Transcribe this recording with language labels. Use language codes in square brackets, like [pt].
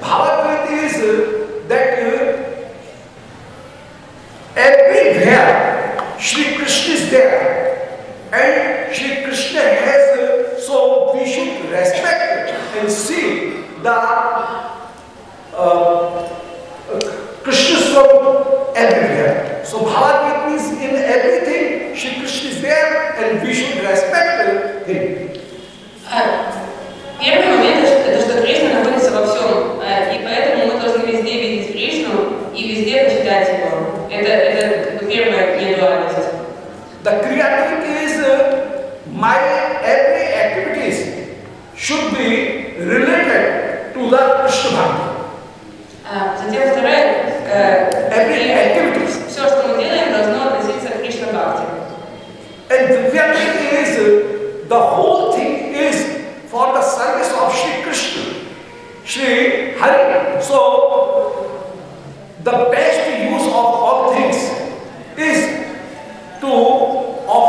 [en] Bhavadvaita is that everywhere Shri Krishna is there, and Shri Krishna has, so we should respect and see the Krishna Swarup everywhere. So Bhavadvaita means in everything Shri Krishna is there, and we should respect him. [ru] Первый момент, это что Кришна находится во всем, и поэтому мы должны везде видеть Кришну и везде почитать его. Это первая недуальность. [en] The creativity is my every activities should be related to the Krishna Bhakti. [ru] Затем вторая. [en] Every activities. [ru] Все, что мы делаем, должно относиться к Кришна Бхакти. [en] And the reality is the whole thing is for the service of Shri Krishna, Shri Hari. So the best use of all things is to